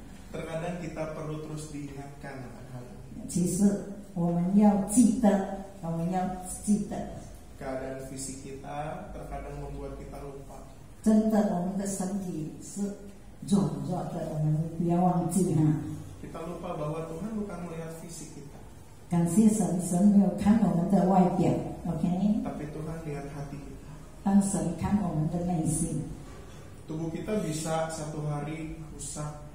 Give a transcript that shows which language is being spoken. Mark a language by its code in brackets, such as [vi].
[id] Terkadang kita perlu terus diingatkan akan hal ini. [zh] 其实我们要记得，我们要记得。 [id] Keadaan fisik kita terkadang membuat kita lupa. [zh] 真的，我们的身体是软弱的，我们不要忘记哈。 [id] Kita lupa bahwa Tuhan bukan melihat fisik kita. [zh] 感谢神，神没有看我们的外表 ，OK？ [id] Tapi Tuhan lihat hati kita. [zh] 但神看我们的内心。 [id] Tubuh kita bisa satu hari rusak.